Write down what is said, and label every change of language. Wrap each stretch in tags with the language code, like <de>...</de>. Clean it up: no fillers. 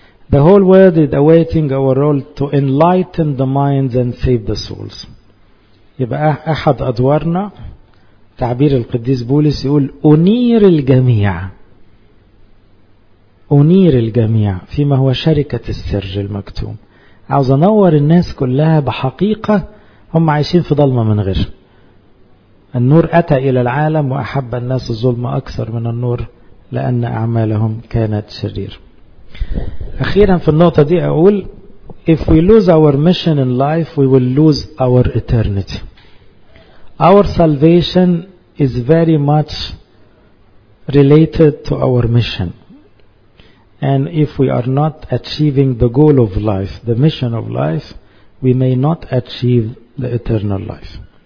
<en>The whole world is awaiting our role to enlighten the minds and save the souls.</en> <ar>يبقى أحد أدوارنا، تعبير القديس بولس يقول أنير الجميع، أنير الجميع فيما هو شركة السر المكتوم. عاوز أنور الناس كلها بحقيقة هم عايشين في ظلمة من غير. النور أتى إلى العالم وأحب الناس الظلمة أكثر من النور لأن أعمالهم كانت شريرة. أخيرا في النقطة دي أقول</ar> <en>if we lose our mission in life we will lose our eternity. Our salvation is very much related to our mission. And if we are not achieving the goal of life, the mission of life, we may not achieve the eternal life.</en>